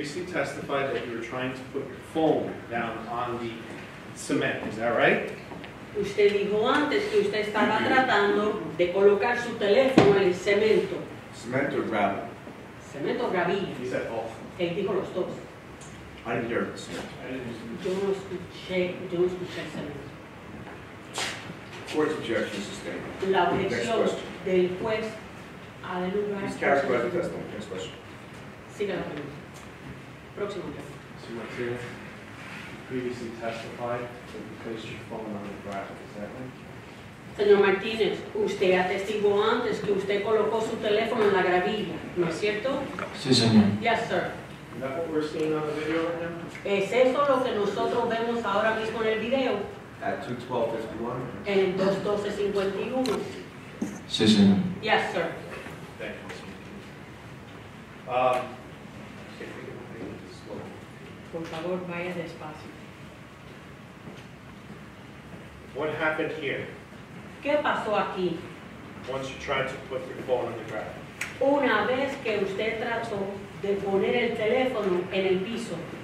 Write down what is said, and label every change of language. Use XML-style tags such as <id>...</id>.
<en>Testified that you were trying to put your phone down on the cement. Is that right?</en> <es>Usted dijo antes que usted estaba tratando de colocar su teléfono en el cemento.</es> <en>Cement or gravel?</en> <es>Cemento o gravilla.</es> <en>He said both.</en> <es>Él dijo los dos.</es> <en>I didn't hear it.</en> <es>Yo no escuché cemento.</es> <en>Court's objection sustained.</en> <es>La objeción del juez ha de lugar.</es> <en>He's characterized the testimony. Next question.</en> <es>Siga la pregunta.</es> <en>So Martinez, you previously testified that you placed your phone on the gravel, is that right?</en> <es>Señor Martinez, usted atestiguó antes que usted colocó su teléfono en la gravilla, ¿no es cierto? Sí, señor.</es> <en>Yes, sir. Is that what we're seeing on the video right now?</en> <es>¿Es eso lo que nosotros vemos ahora mismo en el video?</es> <en>At 2:12:51.</en> <es>En 2:12:51. Sí, señor.</es> <en>Yes, sir. Thank you.</en> <es>Por favor, vaya despacio.</es> <en>What happened here?</en> <es>¿Qué pasó aquí?</es> <en>Once you tried to put your phone on the ground.</en> <es>Una vez que usted trató de poner el teléfono en el piso.</es>